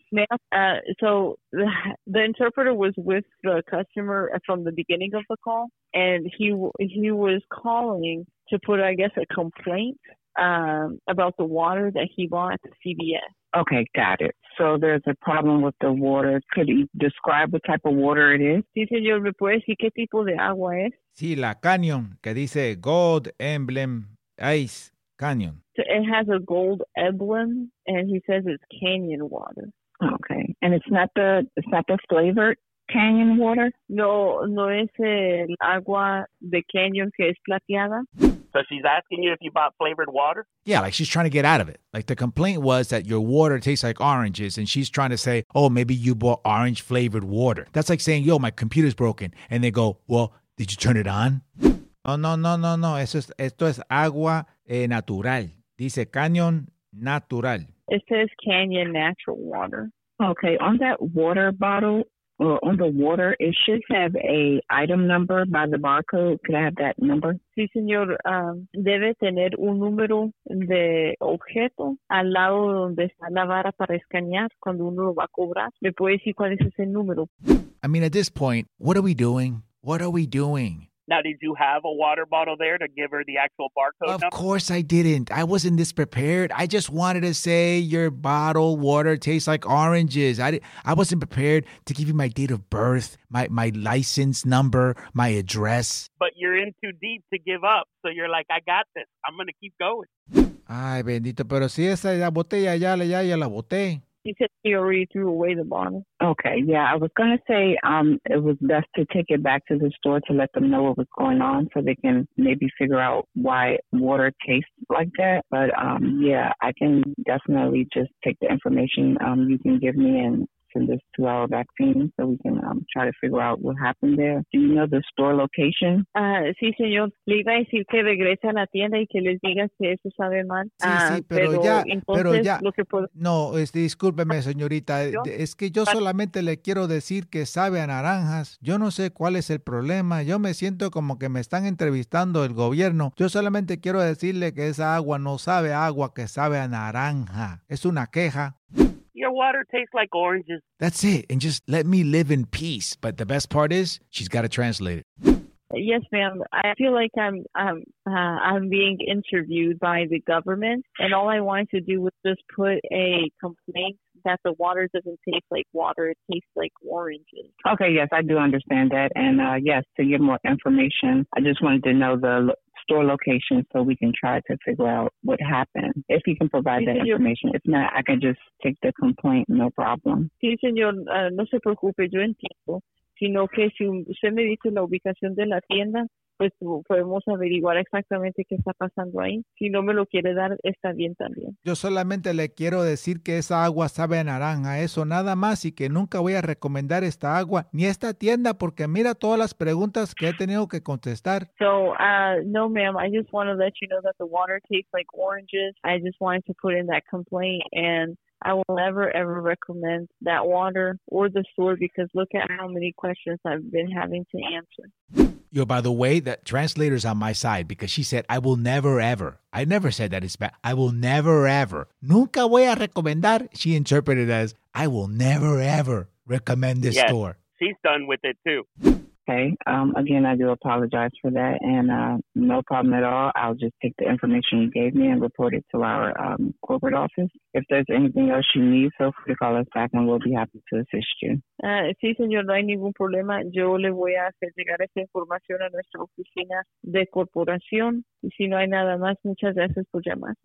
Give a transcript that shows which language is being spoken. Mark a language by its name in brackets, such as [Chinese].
[English] Ma'am, so the interpreter was with the customer from the beginning of the call, and he was calling to put, I guess, a complaint about the water that he bought at the CVS. Okay, got it. So there's a problem with the water. Could you describe what type of water it is? [Spanish] Sí, señor, ¿me puede decir qué tipo de agua es? Sí, la Canyon, que dice Gold Emblem Ice Canyon. [English] So it has a gold emblem, and he says it's canyon water. Okay, and it's not the flavored canyon water? [Spanish] No, no es el agua de canyon que es plateada. [English] So she's asking you if you bought flavored water? Yeah, like she's trying to get out of it. Like the complaint was that your water tastes like oranges, and she's trying to say, oh, maybe you bought orange flavored water. That's like saying, yo, my computer's broken. And they go, well, did you turn it on? [Spanish] Oh, no. Esto es agua natural. Dice canyon natural. [English] It says canyon natural water. Okay, on that water bottle, on the water, it should have a item number by the barcode. Could I have that number? [Spanish] Sí, señor. Debe tener un número de objeto al lado donde está la vara para escanear cuando uno lo va a cobrar. ¿Me puede decir cuál es ese número? [English] I mean, at this point, what are we doing? What are we doing? Now, did you have a water bottle there to give her the actual barcode of number? Of course I didn't. I wasn't this prepared. I just wanted to say your bottle water tastes like oranges. I wasn't prepared to give you my date of birth, my license number, my address. But you're in too deep to give up. So you're like, I got this. I'm going to keep going. [Spanish] Ay, bendito. Pero si esa es la botella, ya la boté. [English] He said he already threw away the bottle. Okay, yeah, I was going to say it was best to take it back to the store to let them know what was going on so they can maybe figure out why water tastes like that. But yeah, I can definitely just take the information you can give me and send this to our vaccine so we can try to figure out what happened there. Do you know the store location? [Spanish] Sí, señor. Le iba a decir que regrese a la tienda y que les diga que eso sabe mal. Sí, pero ya. Discúlpeme, señorita. Es que yo solamente le quiero decir que sabe a naranjas. Yo no sé cuál es el problema. Yo me siento como que me están entrevistando el gobierno. Yo solamente quiero decirle que esa agua no sabe a agua, que sabe a naranja. Es una queja. [English] Your water tastes like oranges. That's it. And just let me live in peace. But the best part is, she's got to translate it. Yes, ma'am. I feel like I'm being interviewed by the government. And all I wanted to do was just put a complaint that the water doesn't taste like water. It tastes like oranges. Okay, yes, I do understand that. And yes, to get more information, I just wanted to know the store location so we can try to figure out what happened. If you can provide that information. If not, I can just take the complaint, no problem. [Spanish] Sí, señor. No se preocupe, yo entiendo. Sino que si usted me dice la ubicación de la tienda, pues podemos averiguar exactamente qué está pasando ahí. Si no me lo quiere dar, está bien también. Yo solamente le quiero decir que esa agua sabe a naranja, eso nada más, y que nunca voy a recomendar esta agua ni esta tienda, porque mira todas las preguntas que he tenido que contestar. [English] So, no, ma'am, I just want to let you know that the water tastes like oranges. I just wanted to put in that complaint, and I will never, ever recommend that water or the store because look at how many questions I've been having to answer. Yo, by the way, that translator's on my side because she said, I will never, ever. I never said that. It's bad. I will never, ever. [Spanish] Nunca voy a recomendar. [English] She interpreted as, I will never, ever recommend this store. She's done with it too. Okay. Again, I do apologize for that. And no problem at all. I'll just take the information you gave me and report it to our corporate office. If there's anything else you need, feel free to call us back and we'll be happy to assist you. [Spanish] Sí, señor, no hay ningún problema. Yo le voy a hacer llegar esa información a nuestra oficina de corporación. Y si no hay nada más, muchas gracias por llamar.